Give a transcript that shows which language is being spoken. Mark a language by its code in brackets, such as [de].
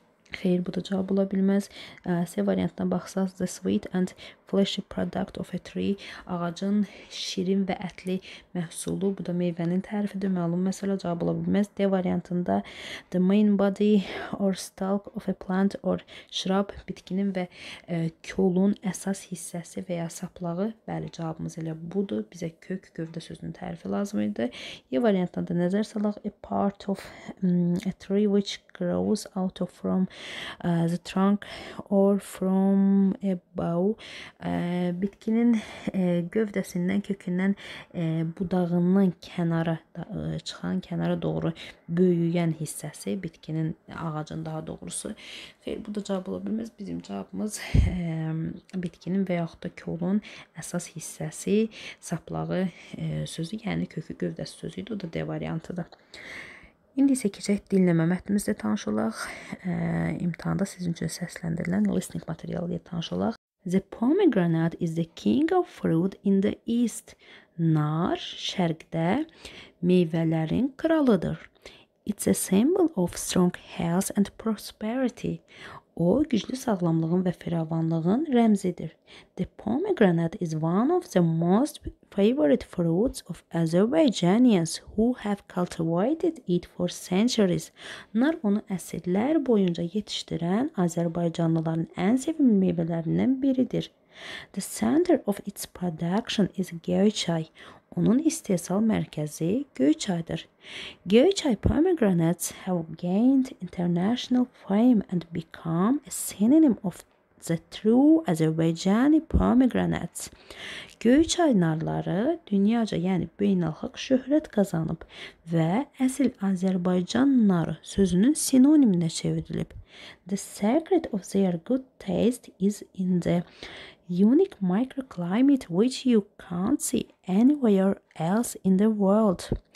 [az] Xeyr, bu da cavab ola bilməz. C variantına baxsaq, [en] the sweet and fleshy product of a tree, [az] ağacın şirin və ətli məhsulu, bu da meyvənin tərifidir. Məlum məsələ, cavab ola bilməz. D variantında [en] the main body or stalk of a plant or shrub, [az] bitkinin və kolun əsas hissəsi və ya saplağı. Bəli, cavabımız elə budur. Bizə kök, gövdə sözünün tərifi lazım idi. E variantına da nəzər salaq, [en] a part of a tree which grows out of from the trunk or from a bough. [az] Bitkinin gövdəsindən, kökündən, budağından kənara çıxan, kənara doğru böyüyən hissəsi bitkinin, ağacın daha doğrusu. Xeyr, bu da cavab ola bilməz. Bizim cavabımız bitkinin və yaxud da kolun əsas hissəsi, saplağı sözü, yəni kökü, gövdəsi sözü idi. O da D variantıdır. İndi isə keçək dinləmə mətnimizlə tanış olaq. İmtahanda sizin üçün səsləndirilən listening materialı ilə tanış olaq. [en] The pomegranate is the king of fruit in the east. [az] Nar şərqdə meyvələrin kralıdır. [en] It's a symbol of strong health and prosperity. [az] O, güclü sağlamlığın və firavanlığın rəmzidir. [en] The pomegranate is one of the most favorite fruits of Azerbaijanians who have cultivated it for centuries. [az] Nar onu əsrlər boyunca yetişdirən Azərbaycanlıların ən sevimli meyvələrindən biridir. [en] The center of its production is gerçay. [az] Onun istehsal mərkəzi Göyçaydır. [en] Göyçay pomegranates have gained international fame and become a synonym of the true Azerbaijani pomegranates. [az] Göyçay narları dünyaca, yəni beynəlxalq şöhrət qazanıb və əsl Azərbaycan narı sözünün sinonimində çevrilib. [en] The secret of their good taste is in the unique microclimate which you can't see anywhere else in the world.